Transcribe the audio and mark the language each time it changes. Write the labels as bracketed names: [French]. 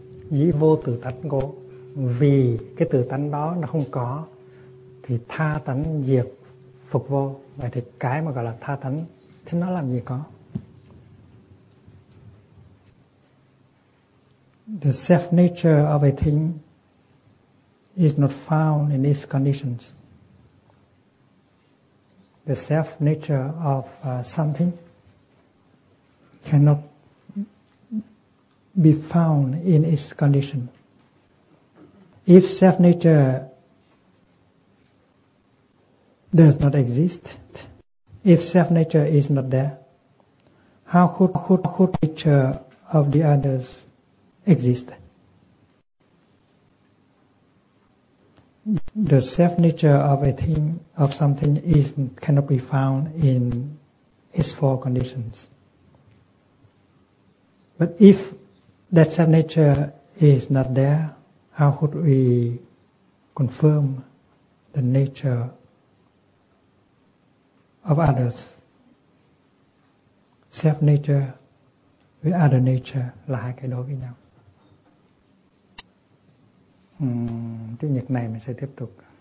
[Vietnamese] Dĩ vô tự tánh cố, vì cái tự tánh đó nó không có, thì tha tánh diệt phục vô. Vậy thì cái mà gọi là tha tánh thì nó làm gì có? [English] The self nature of a thing is not found in its conditions. The self nature of something cannot be found in its condition. If self nature does not exist, if self nature is not there, How could picture of the others exist? The self nature of a thing, of something, is cannot be found in its four conditions. But if that self nature is not there, how could we confirm the nature of others? Self nature with other nature [Vietnamese] là hai cái đối với nhau. Chủ nhật này mình sẽ tiếp tục.